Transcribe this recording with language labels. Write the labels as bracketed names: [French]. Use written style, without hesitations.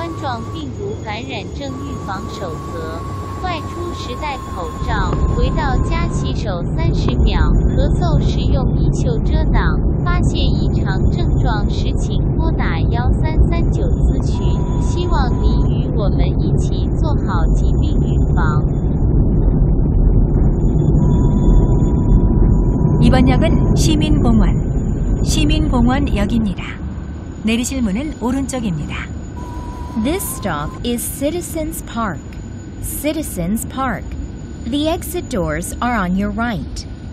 [Chinese] 下面介绍新型冠状病毒感染症预防守则。外出时戴口罩, 回到家洗手 30秒, 咳嗽时用衣袖遮挡, 发现异常症状时请拨打 1339 咨询, 希望您与我们一起做好疾病预防。 [Korean] 이번 역은 시민공원, 시민공원역입니다. 내리실 문은 오른쪽입니다. [English] This stop is Citizens Park. Citizens Park. The exit doors are on your right.